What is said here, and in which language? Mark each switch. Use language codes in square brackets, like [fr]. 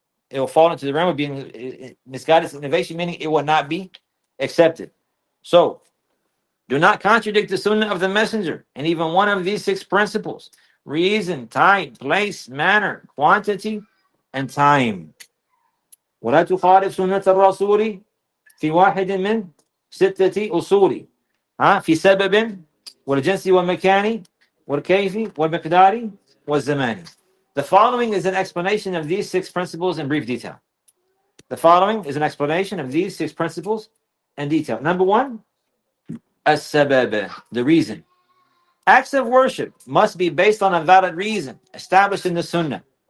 [en] It will fall into the realm of being misguidance and innovation, meaning it will not be accepted. So, do not contradict the sunnah of the messenger in even one of these six principles: reason, type, place, manner, quantity, and time. [ar] ولا تخالف سنة الرسول في واحد من ستة أصول في سبب والجنس والمكان والكيف والمقدار والزمان. [en] The following is an explanation of these six principles in brief detail. The following is an explanation of these six principles in detail. Number one, السبب, the reason. Acts of worship must be based on a valid reason established in the sunnah.